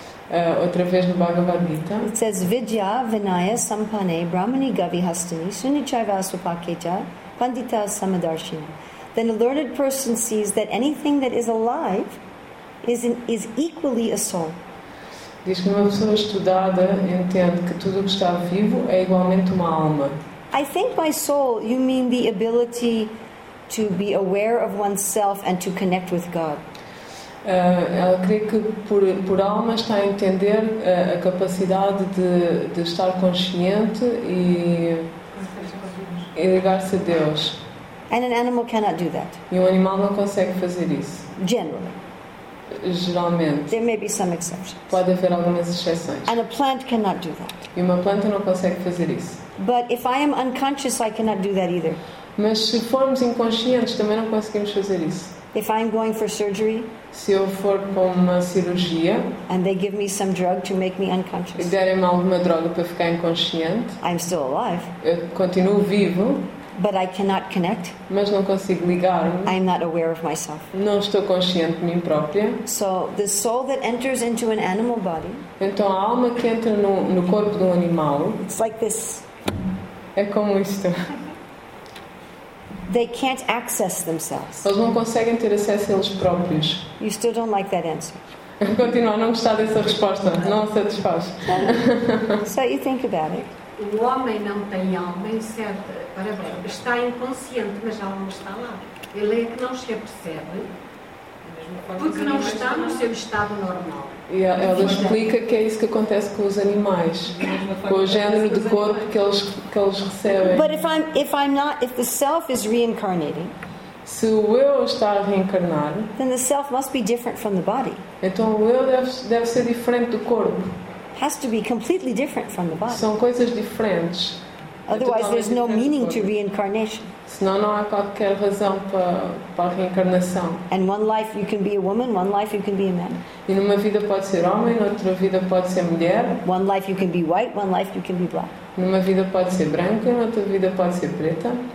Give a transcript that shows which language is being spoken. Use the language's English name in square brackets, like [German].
[Portuguese] Outra vez no Bhagavad Gita. [English] It says [Sanskrit] Vidya Vinaya Sampane Brahmani Gavi Hastani Sunichai Vasupaketa Pandita Samadarshina. [English] Then a learned person sees that anything that is alive is equally a soul. [Portuguese] Diz que uma pessoa estudada entende que tudo o que está vivo é igualmente uma alma. [English] I think by soul you mean the ability to be aware of oneself and to connect with God. [Portuguese] Ela crê que por alma está a entender a capacidade de estar consciente e ligar-se a Deus. [English] And an animal cannot do that. [Portuguese] E um animal não consegue fazer isso. [English] Generally. [Portuguese] Geralmente. [English] There may be some exceptions. [Portuguese] Pode haver algumas exceções. [English] And a plant cannot do that. [Portuguese] E uma planta não consegue fazer isso. [English] But if I am unconscious, I cannot do that either. [Portuguese] Mas se formos inconscientes, também não conseguimos fazer isso. [English] If I'm going for surgery, [Portuguese] se eu for para uma cirurgia, [English] and they give me some drug to make me unconscious, [Portuguese] e derem-me alguma droga para ficar inconsciente, [English] I'm still alive. [Portuguese] Eu continuo vivo, [English] but I cannot connect. [Portuguese] Mas não consigo ligar-me. [English] I'm not aware of myself. [Portuguese] Não estou consciente de mim própria. [English] So the soul that enters into an animal body, [Portuguese] então a alma que entra no corpo de um animal, [English] it's like this. [Portuguese] É como isto. [English] They can't access themselves. [Portuguese] Eles não conseguem ter acesso a eles próprios. [English] You still don't like that answer. [Portuguese] Continua, não gostar dessa resposta. Não satisfaz. [English] So you think about it. [Portuguese] O homem não tem alma, certo? Para bem, está inconsciente, mas a alma está lá. Ele é que não se apercebe. Porque não está no seu estado normal. E ela explica que é isso que acontece com os animais, com o género de corpo que eles recebem. [English] But if the self is reincarnating, [Portuguese] se o eu está a reencarnar, [English] then the self must be different from the body. [Portuguese] Então o eu deve ser diferente do corpo. [English] Has to be completely different from the body. [Portuguese] São coisas diferentes. [English] Otherwise, there's no meaning to reincarnation. [Portuguese] Senão não há qualquer razão para a reencarnação. [English] And one life you can be a woman, one life you can be a man. [Portuguese] E numa vida pode ser homem, noutra vida pode ser mulher. [English] One life you can be white, one life you can be black. [Portuguese] Numa vida pode ser branca, e noutra vida pode ser preta.